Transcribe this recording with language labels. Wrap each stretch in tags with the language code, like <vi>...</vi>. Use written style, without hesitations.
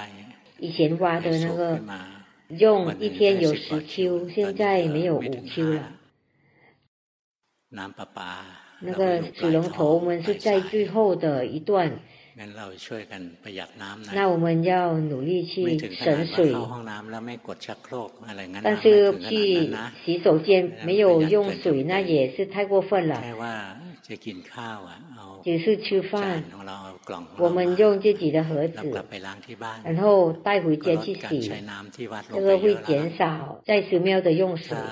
<zh>以前挖的那个用一天有十 Q 现在没有五 Q 了</zh> <th>น้ำประปา</th> <zh>那个水龙头我们是在最后的一段</zh> <th>งั้นเราช่วยกันประหยัดน้ำ</th> <zh>นะ那我们要努力去省水</zh> <th>เข้าห้องน้ำแล้วไม่กดชักโครกอะไรงั้น</th> <zh>但是去洗手间没有用水那也是太过分了</zh> <th>แค่ว่าจะกินข้าวอ่ะเอา</th> <zh>只是吃饭</zh> <th>ของเราเอากล่อง</th> <zh>我们用自己的盒子</zh> <th>กลับไปล้างที่บ้าน</th> <zh>然后带回家去洗</zh> <th>ใช้น้ำที่วัด ลงไปเยอะ</th> <zh>这个会减少在寺庙的用水</zh>